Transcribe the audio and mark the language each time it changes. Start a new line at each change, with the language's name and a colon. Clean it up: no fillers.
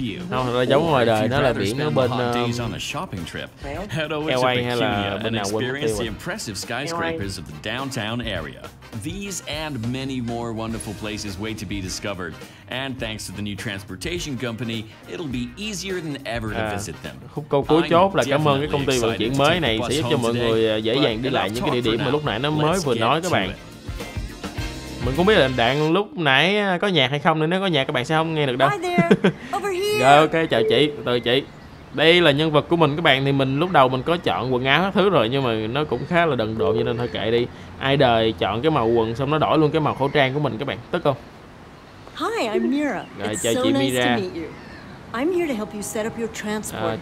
Vietnamese: Không, nó giống ngoài đời, nó là biển ở bên
English: on a shopping trip. Head over to Bikini and experience the impressive skyscrapers of the downtown area. These and many more wonderful places wait to be discovered. And thanks to the new transportation company, it'll be easier than ever to visit them.
Vietnamese: Khúc câu cuối chốt là cảm ơn cái công ty vận chuyển mới này sẽ giúp cho mọi người dễ dàng đi lại những cái địa điểm mà lúc nãy nó mới vừa nói các bạn. Mình cũng biết là đạn lúc nãy có nhạc hay không, nên nếu có nhạc các bạn sẽ không nghe được đâu. Rồi ok, chào chị, từ chị. Đây là nhân vật của mình các bạn, thì mình lúc đầu mình có chọn quần áo các thứ rồi, nhưng mà nó cũng khá là đần độn cho nên thôi kệ đi. Ai đời chọn cái màu quần xong nó đổi luôn cái màu khẩu trang của mình các bạn, tức không?
English: Hi, I'm Mira.
Vietnamese: Rồi, chào chị Mira.
English: I'm here to help you set up your transport.